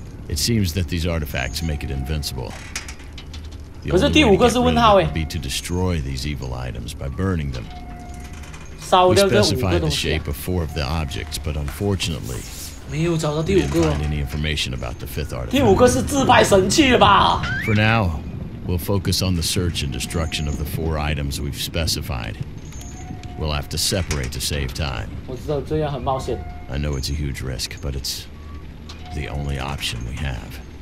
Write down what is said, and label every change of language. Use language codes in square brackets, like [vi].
[en] It seems that these artifacts make it invincible. [zh] 可是第五个是问号哎。 [en] Be to destroy these evil items by burning them. [zh] 烧掉这五个东西。 [en] We specified the shape of 4 of the objects, but unfortunately, [zh] 没有找到第五个。 [en] We didn't find any information about the 5th artifact. [zh] 第五个是自败神器了吧 [en] ？For now, we'll focus on the search and destruction of the 4 items we've specified. We'll have to separate to save time. [zh] 我知道这样很冒险。 [en] I know it's a huge risk, but it's the only option we have.